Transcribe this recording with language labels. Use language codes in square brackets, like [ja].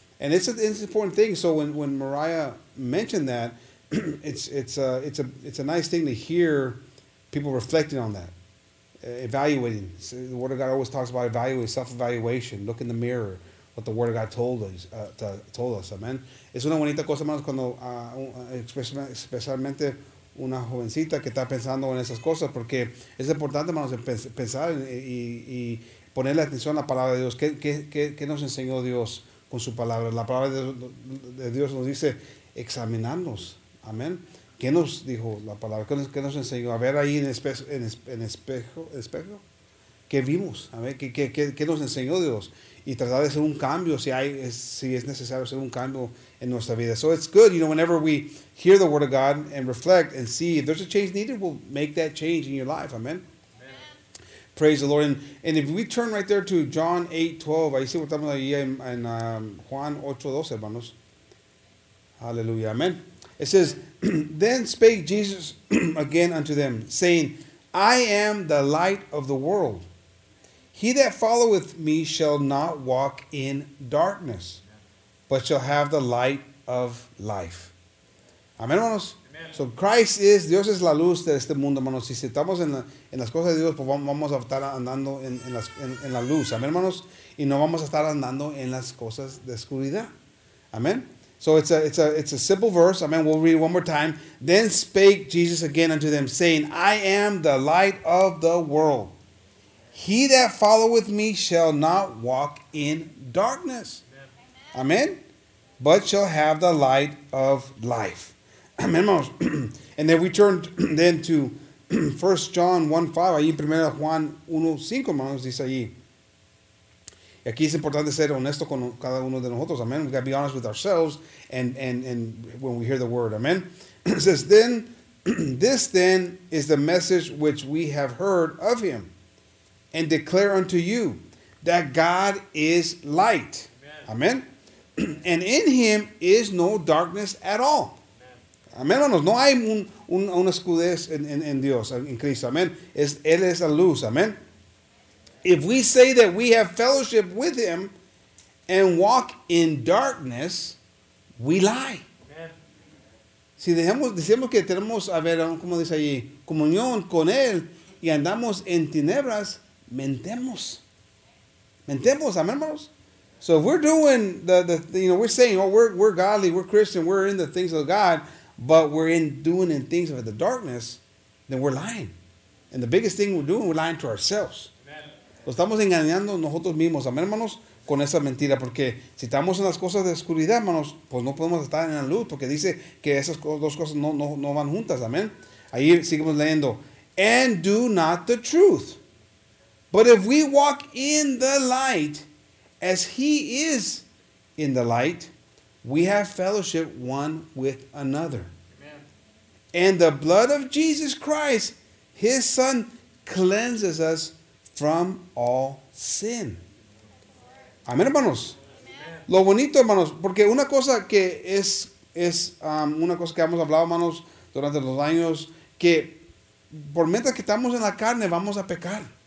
[en] And it's an important thing. So when Mariah mentioned that, it's a nice thing to hear people reflecting on that. Evaluating. The Word of God always talks about evaluating, self-evaluation, look in the mirror, what the Word of God told us. Amen. [es] Es una bonita cosa, hermanos, cuando especialmente una jovencita que está pensando en esas cosas, porque es importante, hermanos, pensar y ponerle atención a la palabra de Dios. ¿Qué nos enseñó Dios con su palabra? La palabra de Dios nos dice examinarnos. Amén. ¿Qué nos dijo la palabra? ¿Qué nos enseñó? A ver ahí en espejo, ¿qué vimos? A ver, ¿qué nos enseñó Dios? Y tratar de hacer un cambio, si es necesario hacer un cambio en nuestra vida. [en] So it's good, you know, whenever we hear the Word of God and reflect and see if there's a change needed, we'll make that change in your life. Amen. Amen. Praise the Lord. And if we turn right there to John 8:12, [es] ahí sí estamos ahí en Juan 8:12, hermanos. [en] Hallelujah. Amen. It says, then spake Jesus again unto them, saying, I am the light of the world. He that followeth me shall not walk in darkness, but shall have the light of life. [es] Amen, hermanos. Amen. [en] So Christ is, [es] Dios es la luz de este mundo, hermanos. Si estamos en las cosas de Dios, pues vamos a estar andando en la luz. Amen, hermanos. Y no vamos a estar andando en las cosas de oscuridad. Amen. [en] So it's a simple verse. Amen. We'll read it one more time. Then spake Jesus again unto them, saying, I am the light of the world. He that followeth me shall not walk in darkness. Amen. Amen. But shall have the light of life. Amen. And then we turn then to 1 John 1:5. [es] Ahí en 1 Juan 1:5, hermanos, dice ahí. Y aquí es importante ser honesto con cada uno de nosotros. [en] Amen. We've got to be honest with ourselves and when we hear the word. Amen. It says, then, this then is the message which we have heard of him and declare unto you that God is light. Amen. Amen. And in him is no darkness at all. [es] Amén, hermanos. No hay una escudez en Dios, en Cristo. Amén. Él es la luz. Amén. [en] If we say that we have fellowship with him and walk in darkness, we lie. Amen. [es] Si decimos que tenemos, a ver, ¿cómo dice allí? Comunión con él y andamos en tinieblas, mentemos. Mentemos, amén, hermanos. [en] So if we're doing the you know, we're saying, oh, we're godly, we're Christian, we're in the things of God, but we're in doing in things of the darkness, then we're lying. And the biggest thing we're doing, we're lying to ourselves. Amen. [es] Estamos engañando nosotros mismos, amén, hermanos, con esa mentira. Porque si estamos en las cosas de oscuridad, hermanos, pues no podemos estar en la luz. Porque dice que esas dos cosas no van juntas, amén. Ahí seguimos leyendo. [en] And do not the truth. But if we walk in the light, as he is in the light, we have fellowship one with another. Amen. And the blood of Jesus Christ, his son, cleanses us from all sin. [es] Amén, hermanos. Amen. Lo bonito, hermanos, porque una cosa que es una cosa que hemos hablado, hermanos, durante los años, que por mientras que estamos en la carne, vamos a pecar.